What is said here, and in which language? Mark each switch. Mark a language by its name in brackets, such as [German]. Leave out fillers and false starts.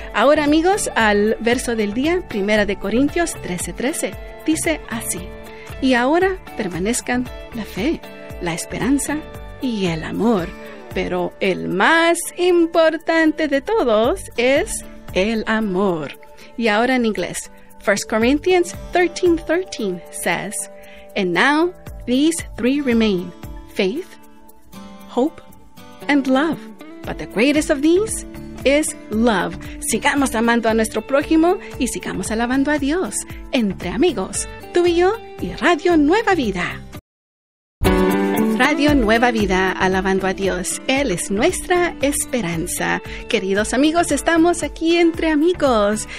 [Spanish] Ahora, amigos, al verso del día, 1 Corintios 13:13, dice así. Y ahora permanezcan la fe, la esperanza y el amor. Pero el más importante de todos es el amor. Y ahora en inglés. [English] 1 Corinthians 13:13 says, And now these three remain, faith, hope, and love. But the greatest of these is love. [Spanish] Sigamos amando a nuestro prójimo y sigamos alabando a Dios entre amigos. Tú y yo y Radio Nueva Vida. Radio Nueva Vida, alabando a Dios. Él es nuestra esperanza. Queridos amigos, estamos aquí entre amigos.